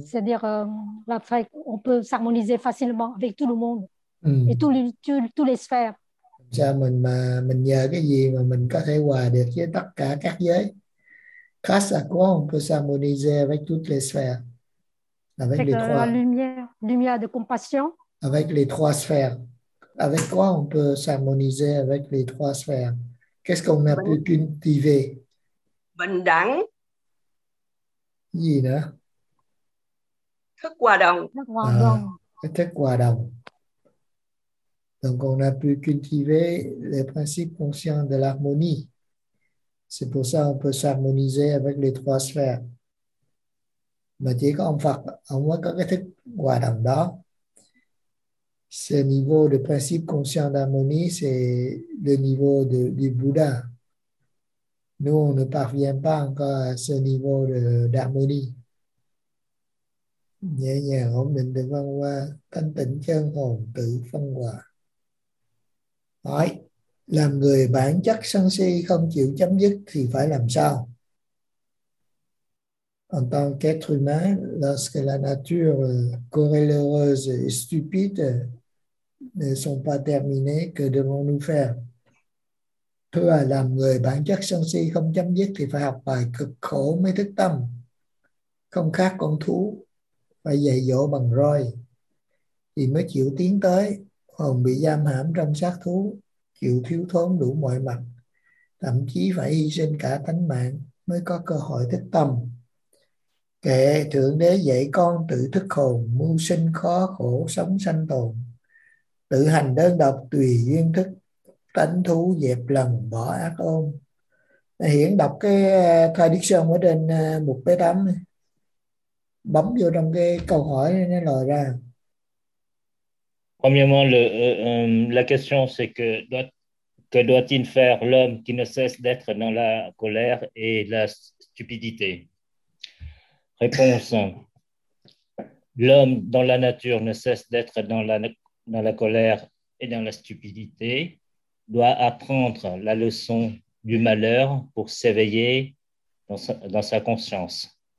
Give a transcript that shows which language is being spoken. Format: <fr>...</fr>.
<fr>C'est-à-dire on peut s'harmoniser facilement avec tout le monde. Mm-hmm. Et tous les sphères.</fr> <vi>Sao mình nhờ cái gì mà mình có thể hòa được với tất cả các giới?</vi> <fr>Khasa quang peut s'harmoniser avec toutes les sphères. Avec les trois. La lumière de compassion. Avec les trois sphères. Avec quoi on peut s'harmoniser avec les trois sphères? Qu'est-ce qu'on a pu cultiver?</fr> <vi>Bình đẳng. Gì nữa? Thức hòa đồng. Thức hòa đồng.</vi> <fr>Donc on a pu cultiver les principes conscients de l'harmonie. C'est pour ça qu'on peut s'harmoniser avec les trois sphères.</fr> <vi>Mais chỉ có ông Phật, ông mới có cái thức hòa đồng đó.</vi> <fr>Ce niveau de principe conscient d'harmonie, c'est le niveau du Bouddha. Nous, on ne parvient pas encore à ce niveau d'harmonie.</fr> <vi>Nhẹ nhàng ổn định được văn hoa, thanh tịnh chân hồn tự phân hòa. Hỏi, làm người bản chất sân si không chịu chấm dứt thì phải làm sao?</vi> <fr>En tant qu'être humain, lorsque la nature querelle heureuse et stupide ne sont pas terminées, que devons-nous faire?</fr> <vi>Thưa, làm người bản chất sân si không chấm dứt thì phải học bài cực khổ mới thức tâm, không khác con thú, phải dạy dỗ bằng roi thì mới chịu tiến tới. Hồn bị giam hãm trong xác thú, chịu thiếu thốn đủ mọi mặt, thậm chí phải hy sinh cả tánh mạng mới có cơ hội thức tâm. Kệ Thượng Đế dạy con tự thức hồn, mưu sinh khó khổ sống sanh tồn, tự hành đơn độc tùy duyên thức, tánh thú dẹp lần bỏ ác ôn. Hiển đọc cái thoại Đức Sơn ở trên mục bế tám, bấm vô trong cái câu hỏi này, nó lòi ra.</vi> <fr>Premièrement, la question c'est que doit-il faire l'homme qui ne cesse d'être dans la colère et la stupidité? Réponse. L'homme dans la nature ne cesse d'être dans la colère et dans la stupidité, doit apprendre la leçon du malheur pour s'éveiller dans sa conscience.</fr>